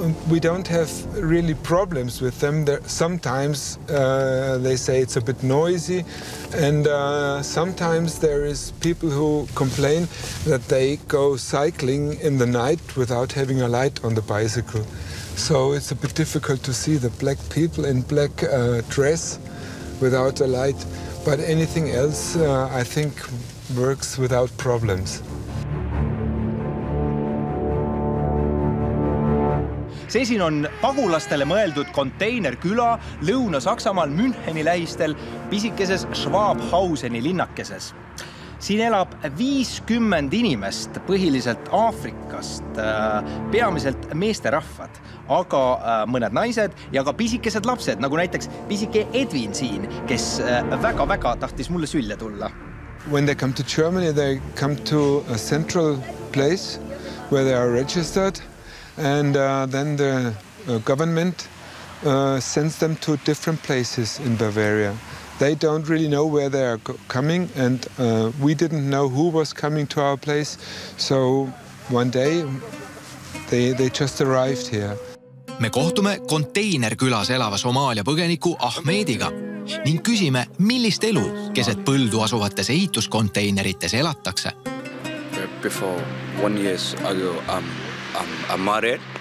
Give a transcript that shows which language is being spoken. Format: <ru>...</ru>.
<en>We don't have really problems with them. Sometimes they say it's a bit noisy, and sometimes there is people who complain that they go cycling in the night without having a light on the bicycle. So it's a bit difficult to see the black people in black dress without a light. But anything else, I think, works without problems.</en> <et>See siin on pagulastele mõeldud konteinerküla Lõuna-Saksamaal Müncheni lähistel pisikeses Schwabhauseni linnakeses. Siin elab 50 inimest, põhiliselt Aafrikast, peamiselt meesterahvad, aga mõned naised ja ka pisikesed lapsed, nagu näiteks pisike Edwin siin, kes väga-väga tahtis mulle sülle tulla.</et> <en>When they come to Germany, they come to a central place where they are registered, and then the government sends them to different places in Bavaria. They don't really know where they are coming, and we didn't know who was coming to our place. So one day they just arrived here.</en> <et>Me kohtume konteinerkülas elava Somaalia põgeniku Ahmediga ning küsime, millist elu keset põldu asuvates ehituskonteinerites elatakse.</et> <en>Before 1 year ago, I'm married.</en>